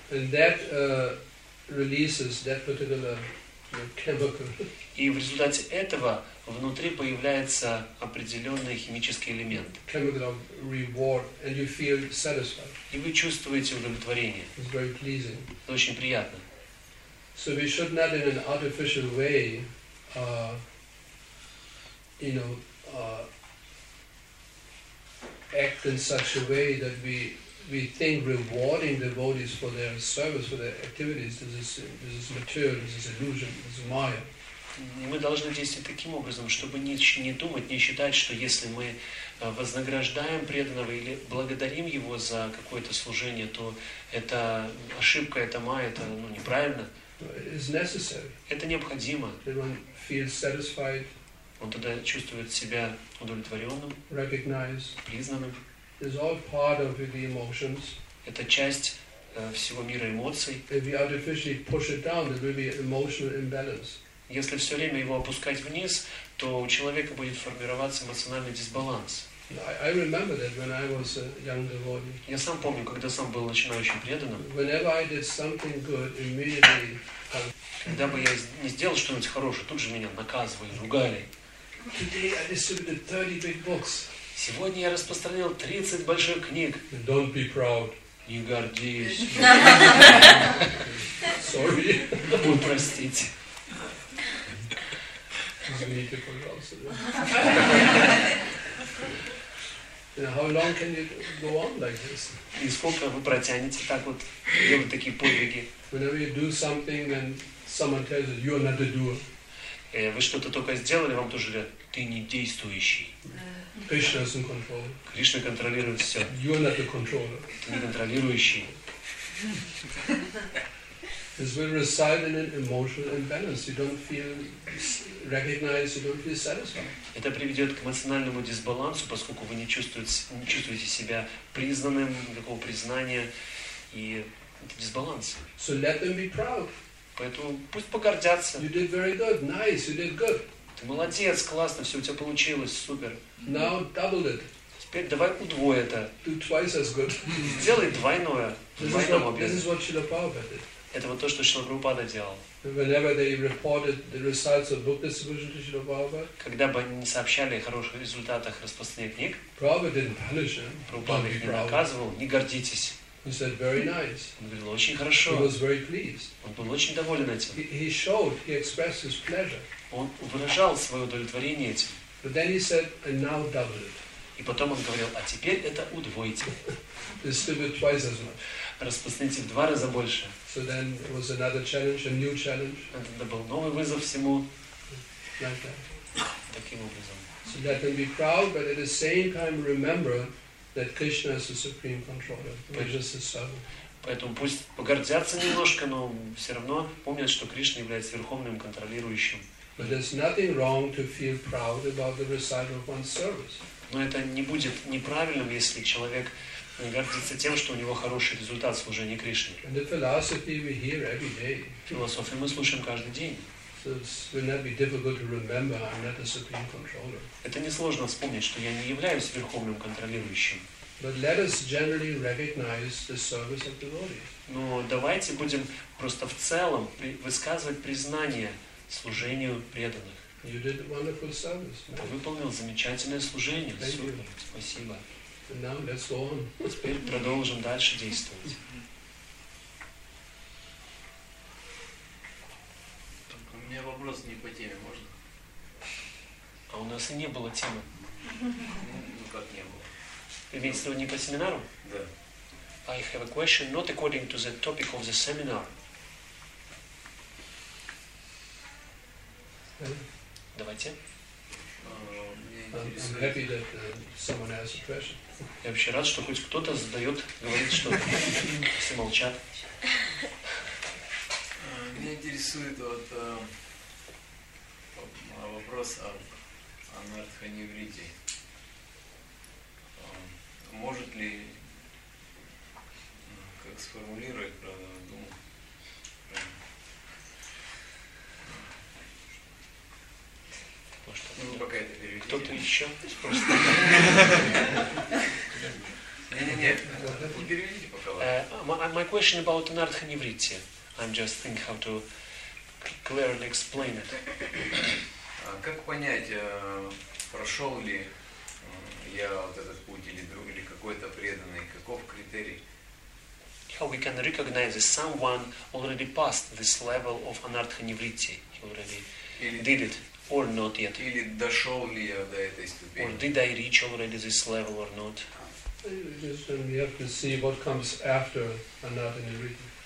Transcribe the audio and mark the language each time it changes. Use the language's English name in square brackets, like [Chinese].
[English] And that releases that particular chemical. [Russian] И в результате этого внутри появляется определенный химический элемент. [English] Chemical of reward, and you feel satisfied. [Russian] И вы чувствуете удовлетворение. [English] It's very pleasing. [Russian] Это очень приятно. [English] So we should not in an artificial way, act in such a way that we think rewarding devotees for their service, for their activities, this is material, this is illusion, this is maya. [Russian] И мы должны действовать таким образом, чтобы не думать, не считать, что если мы вознаграждаем преданного или благодарим его за какое-то служение, то это ошибка, это майя, это неправильно. [English] It's necessary. [Russian] Это необходимо. [English] Everyone feels satisfied. [Russian] Он тогда чувствует себя удовлетворенным, [English] recognize. [Russian] Признанным. [English] It's all part of the emotions. [Russian] Это часть всего мира эмоций. [English] If we artificially push it down, there will be emotional imbalance. [Russian] Если все время его опускать вниз, то у человека будет формироваться эмоциональный дисбаланс. [English] I remember that when I was a young devotee. [Russian] Я сам помню, когда сам был начинающим преданным. [English] Whenever I did something good, immediately. [Russian] Когда бы я не сделал что-нибудь хорошее, тут же меня наказывали, ругали. [English] Today I distributed 30 big books. [Russian] Сегодня я распространил 30 больших книг. [English] Don't be proud. [Russian] Не гордись. [English] Sorry. [Russian] Ну, простите. Извините, пожалуйста. [English] How long can you go on like this? [Russian] И сколько вы протянете так вот, делать такие подвиги? [English] Whenever you do something and someone tells you, you're not a doer. [Russian] Вы что-то только сделали, вам тоже говорят, ты не действующий. [English] Krishna is in control. [Russian] Кришна контролирует все. [English] You're not the controller. [Russian] Ты не контролирующий. [English] This will reside in an emotional imbalance. You don't feel recognized. You don't feel satisfied. [Russian] Это приведет к эмоциональному дисбалансу, поскольку вы не чувствуете себя признанным, никакого признания, и это дисбаланс. [English] So let them be proud. [Russian] Поэтому пусть погордятся. [English] You did very good. Nice. You did good. [Russian] Ты молодец, классно, все у тебя получилось, супер. [English] Now double it. [Russian] Теперь давай удвой это. [English] Do twice as good. [Russian] Сделай двойное. Двойному обед. [English] This is what Srila Prabhupada did. [Russian] Это вот то, что Шрила Прабхупада делал. [English] Whenever they reported the results of book distribution to Srila Prabhupada, [Russian] когда бы они не сообщали о хороших результатах распространения книг, [English] Prabhupada didn't punish him. [Russian] Прабхупада их не наказывал, не гордитесь. [English] He said very nice. [Russian] Он говорил, очень хорошо. [English] He was very pleased. [Russian] Он был очень доволен этим. [English] He showed, he expressed his pleasure. [Russian] Он выражал свое удовлетворение этим. [English] But then he said, and now double it. [Russian] И потом он говорил, а теперь это удвоите. [English] Distribute twice as much. [Russian] распространить их в два раза больше. [English] So then it was another challenge, a new challenge. Это был новый вызов всему. [Russian] Таким образом. [English] So that can be proud, but at the same time remember that Krishna is the supreme controller. Krishna is the servant. [Russian] Поэтому пусть погордятся немножко, но все равно помнят, что Кришна является верховным контролирующим. [English] But there's nothing wrong to feel proud about the recital of one's service. [Russian] Но это не будет неправильным, если человек не гордится тем, что у него хороший результат служения Кришне. [English] And the philosophy we hear every day. [Russian] Философию мы слушаем каждый день. [English] So it will not be difficult to remember I'm not the supreme controller. [Russian] Это несложно вспомнить, что я не являюсь верховным контролирующим. [English] But let us generally recognize the service of devotees. [Russian] Но давайте будем просто в целом высказывать признание служению преданных. [English] You did a wonderful service. [Russian] Ты выполнил замечательное служение. [English] Thank you. [Russian] Спасибо. [English] And now let's go on. [Russian] Теперь продолжим дальше действовать. У меня вопрос не по теме, можно? А у нас и не было темы. Ну как не было? Вы имеете в виду не по семинару? Да. [English] I have a question not according to the topic of the seminar. [Russian] Давайте. [English] I'm happy that someone asked a question. [Russian] Я вообще рад, что хоть кто-то задает, говорит что-то. Все молчат. Меня интересует вот... Вопрос об анартханевриде. Может ли, как сформулировать, правда, думаю? Что, ну, пока это переведите. Кто-то еще? Не-не-не, не переведите пока. [English] My question about анартханевриде. I'm just thinking how to clearly explain it. [Russian] Как понять, прошел ли я вот этот путь или друг, или какой-то преданный, каков критерий? [English] How we can recognize that someone already passed this level of anarthanivritti, he already [Russian] или, [English] did it or not yet? [Russian] Или дошел ли я до этой ступени? [English] Or did I reach already this level or not? Just when we have to see what comes after anarthanivritti.